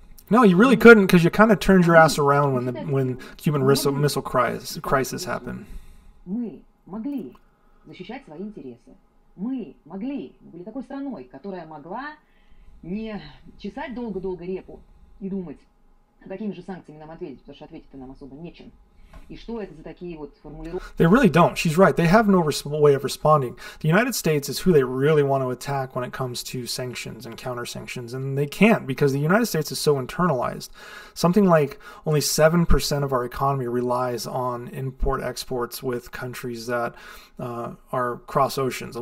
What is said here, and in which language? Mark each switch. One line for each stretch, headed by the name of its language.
English: No, you really couldn't, because you kind of turned your ass around when Cuban Missile Crisis happened.
Russian: Мы могли, мы были такой страной, которая могла не чесать долго-долго репу и думать, какими же санкциями нам ответить, потому что ответить-то нам особо нечем. И что это за такие вот формулировки?
English: They really don't. She's right. They have no way of responding. The United States is who they really want to attack when it comes to sanctions and counter-sanctions, and they can't because the United States is so internalized. Something like only 7% of our economy relies on import-exports with countries that are cross oceans.